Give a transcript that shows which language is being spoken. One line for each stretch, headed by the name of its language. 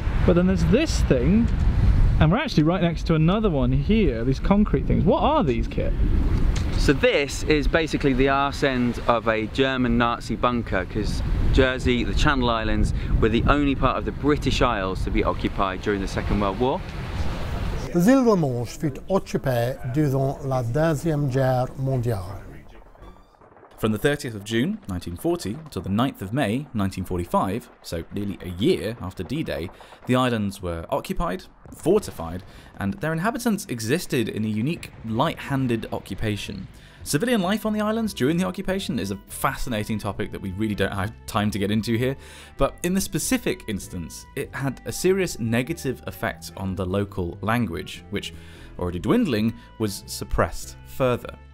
English: But then there's this thing, and we're actually right next to another one here, these concrete things. What are these, Kit? So this is basically the arse end of a German Nazi bunker, because Jersey, the Channel Islands, were the only part of the British Isles to be occupied during the Second World War.
French: Les îles de Manche furent occupées durant la Deuxième Guerre mondiale.
English: From the 30th of June 1940 till the 9th of May 1945, so nearly a year after D-Day, the islands were occupied, fortified, and their inhabitants existed in a unique, light-handed occupation. Civilian life on the islands during the occupation is a fascinating topic that we really don't have time to get into here, but in this specific instance, it had a serious negative effect on the local language, which, already dwindling, was suppressed further.